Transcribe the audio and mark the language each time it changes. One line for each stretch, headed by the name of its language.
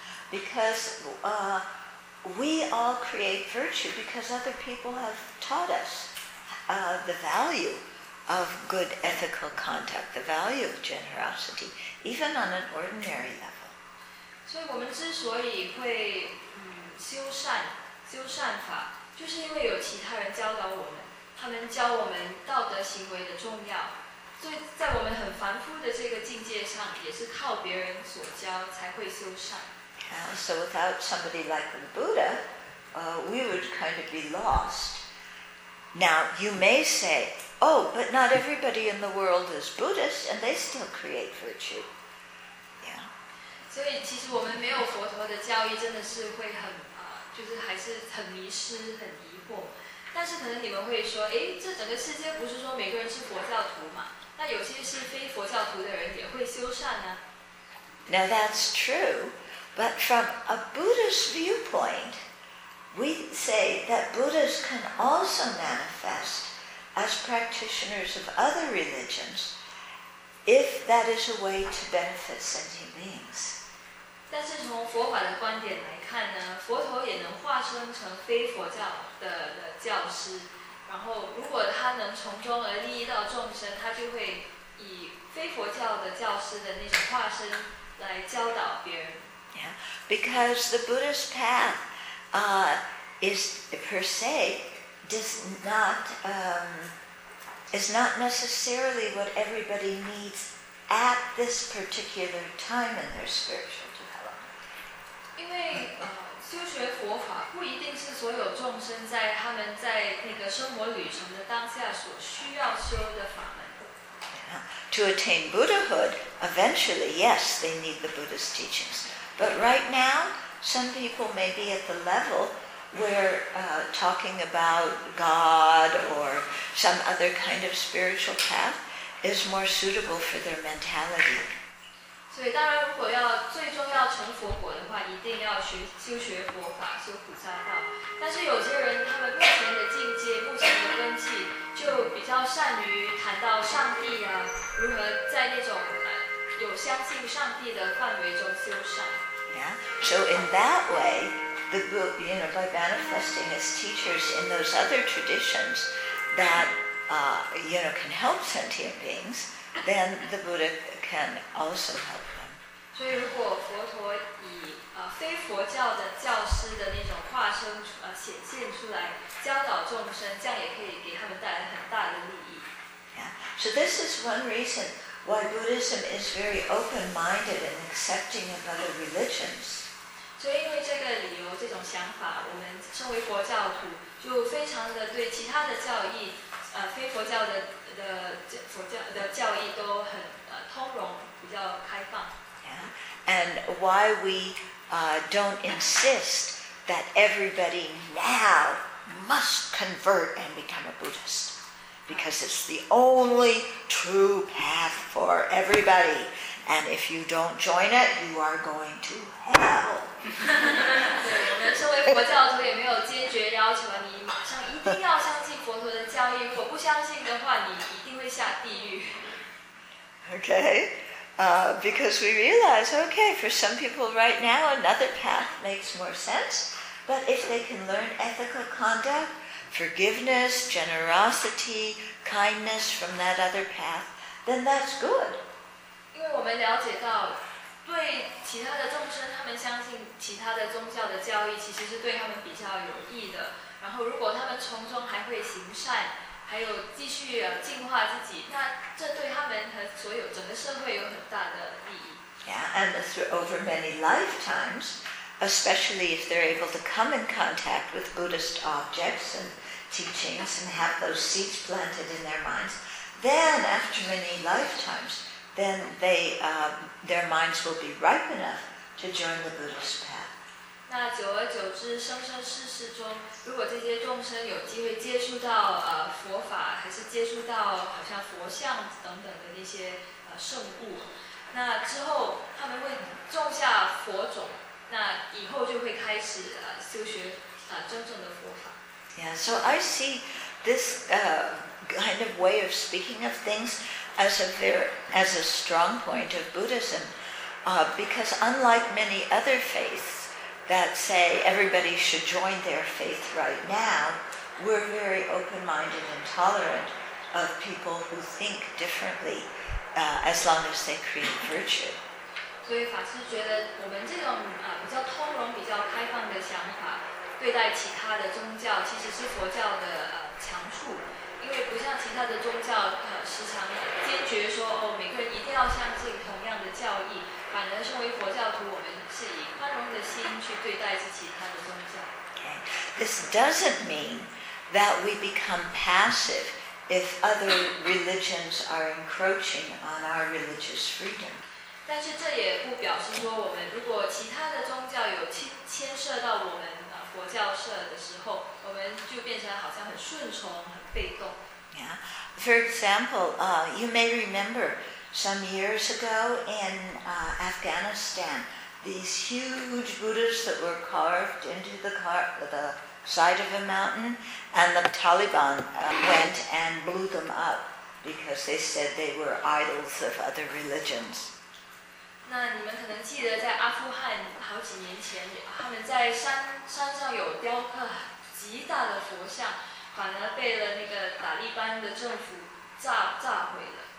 English: Because we all create virtue because other people have taught us the value of good ethical conduct the value of generosity even on an ordinary level
Chinese: 所以我们之所以会修善法就是因为有其他人教导我们他们教我们道德行为的重要所以在我们很凡夫的这个境界上也是靠别人所教才会修善
English: yeah, So without somebody like the Buddha we would kind of be lost Now you may say Oh, but not everybody in the world is Buddhist and they still create virtue Yeah.
Chinese: 所以其实我们没有佛陀的教义真的是会很就是还是很迷失很疑惑但是可能你们会说，哎，这整个世界不是说每个人是佛教徒嘛？那有些是非佛教徒的人也会修善呢。
English: Now that's true, but from a Buddhist viewpoint, we say that Buddhas can also manifest as practitioners of other religions, if that is a way to benefit sentient beings.
Chinese: 但是从佛法的观点来看呢，佛陀也能化身成非佛教的。教师，然后如果他能从中而利益到众生，他就会以非佛教的教师的那种化身来教导别人。
English: Yeah, because the Buddhist path, is per se is not necessarily what everybody needs at this particular time in their spiritual development.
Chinese: 因为修学佛法不一定是所有众生在他们在那个生活旅程的当下所需要修的法门。
English: To attain Buddhahood, eventually, yes, they need the Buddha's teachings. But right now, some people may be at the level where talking about God or some other kind of spiritual path is more suitable for their mentality.
Chinese: 所以当然如果要最终要成佛果的话一定要学修学佛法修菩萨道但是有些人他们目前的境界目前的根基就比较善于谈到上帝啊如何在那种有相信上帝的范围中修善
English: Yeah, so in that way the book, you know, by manifesting as teachers in those other traditions that, you know, can help sentient beings then the Buddha can also help them.
Chinese: 所以如果佛陀以非佛教的教师的那种化身显现出来教导众生这样也可以给他们带来很大的利益。
English: Yeah. So this is one reason why Buddhism is very open-minded in accepting of other religions.
Chinese: 所以因为这个理由这种想法我们身为佛教徒就非常的对其他的教义非佛教 的教义都很通融比较开放、
English: And why we don't insist that everybody now must convert and become a Buddhist because it's the only true path for everybody and if you don't join it you are going to hell
Chinese: 对我们身为佛教徒也没有坚决要求你马上一定要相信佛陀的教义如果不相信的话你一定会下地狱
English: okay、because we realize okay for some people right now another path makes more sense but if they can learn ethical conduct forgiveness generosity kindness from that other path then that's good
Chinese: 因为我们了解到对其他的众生他们相信其他的宗教的教义其实是对他们比较有益的然后如果他们从中还会行善还有继续进化自己那这对他们和所有整个社会有很大的利益
English: Yeah, and over many lifetimes especially if they're able to come in contact with Buddhist objects and teachings and have those seeds planted in their minds then after many lifetimes then they, their minds will be ripe enough to join the Buddhist path
Chinese: 那久而久之生生世世中如果这些众生有机会接触到佛法还是接触到好像佛像等等的那些圣物那之后他们会种下佛种那以后就会开始修学真正的佛法
English: Yeah, so I see this kind of way of speaking of things as a strong point of Buddhism because unlike many other faiths that say everybody should join their faith right now we're very open-minded and tolerant of people who think differently as long as they create virtue
Chinese: 所以法师觉得我们这种比较通融比较开放的想法对待其他的宗教其实是佛教的强处因为不像其他的宗教时常坚决说哦，每个人一定要相信同样的教义反而身为佛教徒我们是以宽容的心去对待其他的宗教
English: okay. This doesn't mean that we become passive if other religions are encroaching on our religious freedom
Chinese: 但是这也不表示说我们如果其他的宗教有牵涉到我们佛教社的时候我们就变成好像很顺从
English: Yeah. For example, you may remember some years ago in Afghanistan, these huge Buddhas that were carved into the side of a mountain, and the Taliban went and blew them up because they said they were idols of other religions.
Chinese: 那你们可能记得在阿富汗好几年前，他们在山上有雕刻极大的佛像。反而被了那个塔利班的政府炸毁了。